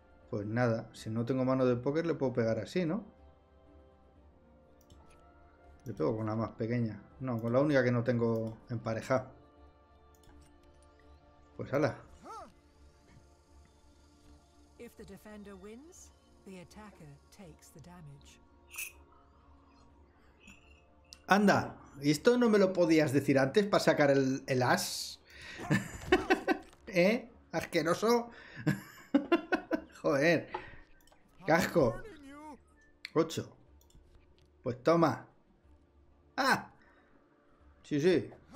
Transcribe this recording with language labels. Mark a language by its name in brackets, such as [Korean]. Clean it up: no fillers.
[Spanish] Pues nada, si no tengo mano de póker le puedo pegar así, ¿no? Le pego con la más pequeña. No, con la única que no tengo empareja. Pues ala. [English] If the defender wins, the attacker takes the damage. [Spanish] Anda, ¿y esto no me lo podías decir antes para sacar el as? ¿Eh? Asqueroso. Joder. Casco. 8. Pues toma. ¡Ah! Sí.